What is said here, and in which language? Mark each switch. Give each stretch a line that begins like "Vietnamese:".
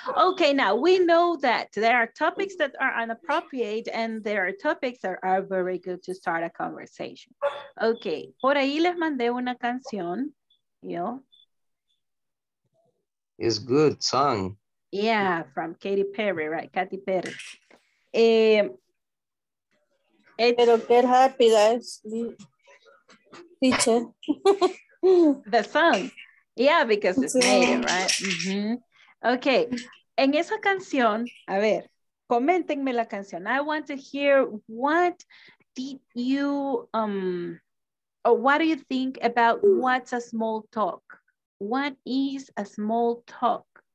English: Okay, now we know that there are topics that are inappropriate and there are topics that are very good to start a conversation.
Spanish: Okay, por ahí les mandé una canción, yo.
English: It's good song. Yeah, from Katy Perry, right? Katy Perry.
Spanish: Pero qué rápida es, teacher.
English: The song. Yeah, because it's native, right? Mm-hmm. Okay.
Spanish: En esa canción, a ver, coméntenme la canción.
English: I want to hear what did you, what do you think about what's a small talk? What is a small talk?